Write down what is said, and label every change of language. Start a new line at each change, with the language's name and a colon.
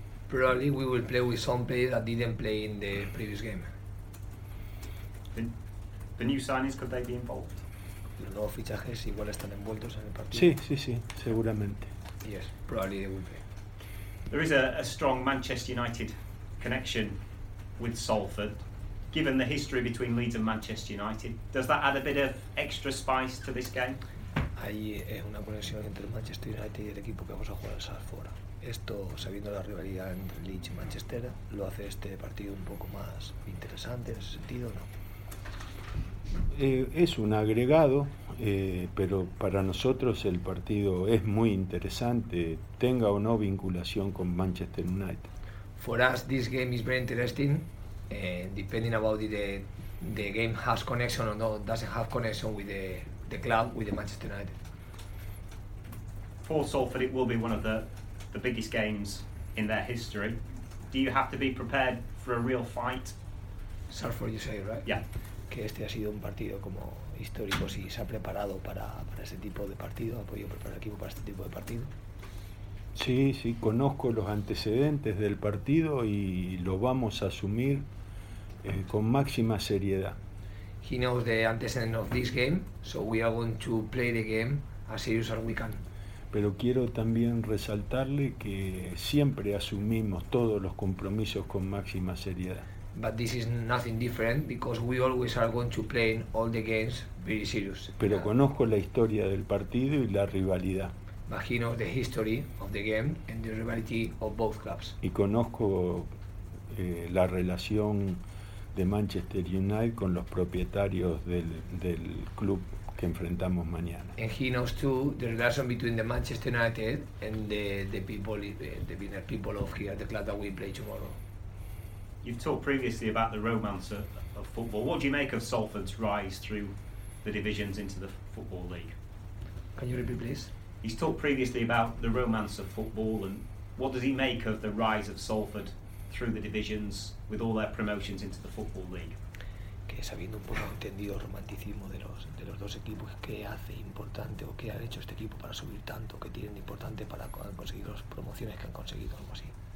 English: Probably we will play with some players that didn't play in the previous game. The new signings, could they be involved?
Spanish: Los nuevos fichajes igual están envueltos en el partido. Sí, seguramente.
English: Yes, probably they will play. There is a strong Manchester United connection with Salford. Given the history between Leeds and Manchester United, does that add a bit of extra spice to this game?
Spanish: Hay una conexión entre Manchester United y el equipo que vamos a jugar en Salford. Esto, sabiendo la rivalidad entre Leeds y Manchester, lo hace este partido un poco más interesante en ese sentido, ¿no? Es un agregado, pero para nosotros el partido es muy interesante, tenga o no vinculación con Manchester United.
English: For us, this game is very interesting, depending about the game has connection or not, doesn't have connection with the club, with the Manchester United. For Salford, it will be one of the biggest games in their history. Do you have to be prepared for a real fight? Salford, you say, right? Yeah.
Spanish: Que este ha sido un partido como histórico, si se ha preparado para ese tipo de partido, ha podido preparar el equipo para este tipo de partido. Sí, conozco los antecedentes del partido y lo vamos a asumir con máxima seriedad.
English: He knows the antecedents of this game, so we are going to play the game as serious as we can.
Spanish: Pero quiero también resaltarle que siempre asumimos todos los compromisos con máxima seriedad.
English: But this is nothing different because we always are going to play in all the games very serious.
Spanish: Pero conozco la historia del partido y la rivalidad.
English: But he knows the history of the game and the rivalry of both clubs.
Spanish: Y conozco la relación de Manchester United con los propietarios del club que enfrentamos mañana.
English: And he knows too the relation between the Manchester United and the people of here, the club that we play tomorrow. You've talked previously about the romance of football. What do you make of Salford's rise through the divisions into the Football League? Can you repeat, please? He's talked previously about the romance of football, and what does he make of the rise of Salford through the divisions with all their promotions into the Football League?
Spanish: Que sabiendo un poco entendido el romanticismo de los dos equipos, que hace importante o que ha hecho este equipo para subir tanto, que tienen importante para conseguir las promociones que han conseguido, algo así.